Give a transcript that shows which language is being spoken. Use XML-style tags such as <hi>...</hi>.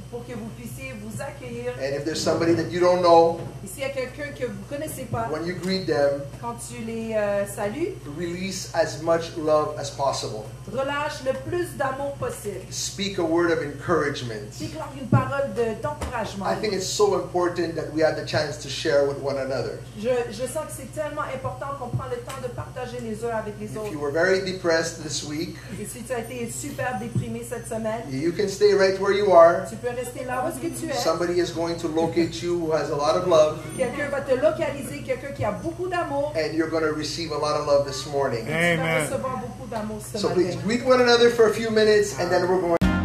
<en>And if there's somebody that you don't know, when you greet them,</en> <fr>quand tu les salues,</fr> <en>release as much love as possible.</en> <fr>Relâche le plus d'amour possible.</fr> <en>Speak a word of encouragement.</en> <fr>Dis-leur une parole de, d'encouragement.</fr> <en>I think it's so important that we have the chance to share with one another.</en> <fr>Je sens que c'est tellement important qu'on prend le temps de partager les uns avec les autres.</fr> <en>If you were very depressed this week,</en> <fr>et si tu as été super déprimé cette semaine,</fr> <en>you can stay right where you are.</en> <fr>Tu peux rester là où est-ce que tu es.</fr> <en>Somebody is going to locate you who has a lot of love.</en> <fr>Quelqu'un va te localiser, quelqu'un qui a beaucoup d'amour.</fr> <en>And you're going to receive a lot of love this morning. Amen. So please greet one another for a few minutes and then we're going.</en>